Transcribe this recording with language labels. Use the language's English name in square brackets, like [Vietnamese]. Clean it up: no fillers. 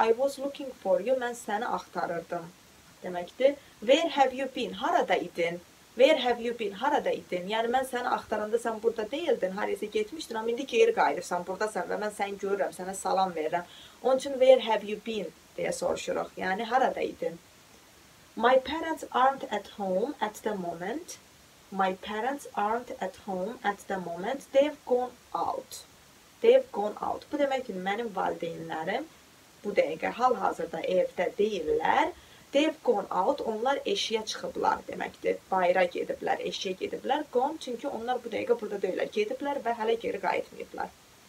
[English] I was looking for you, [Azerbaijani] mən səni axtarırdım deməkdir. [English] Where have you been? [Azerbaijani] Harada idin? [English] Where have you been? Harada idin? [Azerbaijani] Yəni mən səni axtaranda sən burada deyildin, harisə getmişdin, amma indi geri qayıdırsan, buradasan və mən səni görürəm, sənə salam verirəm. Onun üçün, [English] where have you been? [Azerbaijani] Deyə soruşuruq. Yəni, harada idin? [English] My parents aren't at home at the moment. My parents aren't at home at the moment. They've gone out. They've gone out. [Azerbaijani] Bu deməkdir, mənim valideynlərim bu dəqiqə hal-hazırda evdə deyirlər. [English] They've gone out. [Azerbaijani] Onlar eşiyə çıxıblar deməkdir. Bayıra gediblər, eşiyə gediblər. Gone, çünki onlar bu dəqiqə burada deyirlər. Gediblər və hələ geri qayıtmayıblar.